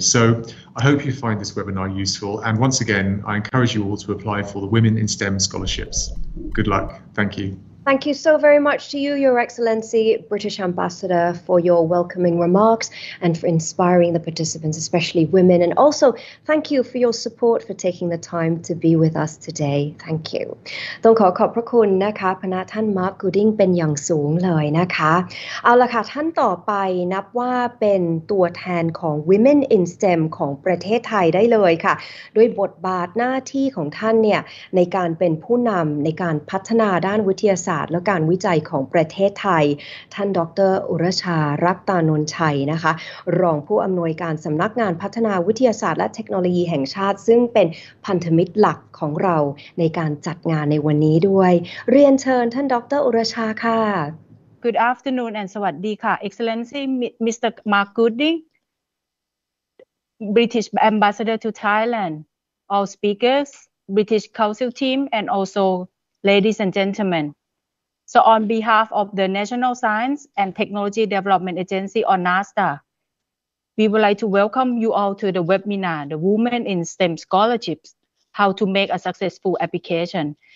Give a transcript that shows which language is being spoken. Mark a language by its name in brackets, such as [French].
[English] So I hope you find this webinar useful. And once again, I encourage you all to apply for the Women in STEM scholarships. Good luck. Thank you. Thank you so very much to you, Your Excellency, British Ambassador, for your welcoming remarks and for inspiring the participants, especially women. And also, thank you for your support for taking the time to be with us today. Thank you. [Thai] ต้องขอขอบพระคุณนะคะพนักท่านมาร์คกูดิ้งเป็นอย่างสูงเลยนะคะเอาละค่ะท่านต่อไปนับว่าเป็นตัวแทนของ Women in STEM ของประเทศไทยได้เลยค่ะด้วยบทบาทหน้าที่ของท่านเนี่ยในการเป็นผู้นำในการพัฒนาด้านวิทยาศาสตร์และการวิจัยของประเทศไทยท่านดร. อุรชารัตตานนท์ชัยนะคะรองผู้อำนวยการสำนักงานพัฒนาวิทยาศาสตร์และเทคโนโลยีแห่งชาติซึ่งเป็นพันธมิตรหลักของเราในการจัดงานในวันนี้ด้วยเรียนเชิญท่านดร. อุรชาค่ะ [English] Good afternoon and [Thai] สวัสดีค่ะ [English] Excellency Mr. Mark Gooding British Ambassador to Thailand All speakers British Council team and also ladies and gentlemenSo on behalf of the National Science and Technology Development Agency or NASTA, we would like to welcome you all to the webinar, The Women in STEM Scholarships, How to Make a Successful Application.